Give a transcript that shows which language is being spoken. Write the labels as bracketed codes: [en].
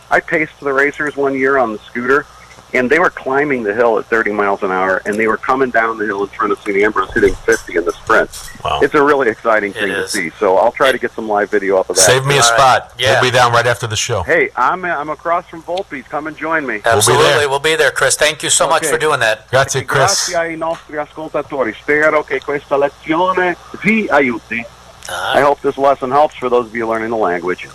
[en] I paced the racers one year on the scooter, and they were climbing the hill at 30 miles an hour, and they were coming down the hill in front of St. Ambrose hitting 50 in the sprint. Wow. It's a really exciting thing to see. So I'll try to get some live video off of that. Save me a spot. Yeah. We'll be down right after the show. Hey, I'm across from Volpe. Come and join me. Absolutely. We'll be there, Chris. Thank you so much for doing that. [it] Grazie, Chris. Grazie ai nostri ascoltatori. Spero che questa lezione vi aiuti. [en] I hope this lesson helps for those of you learning the language.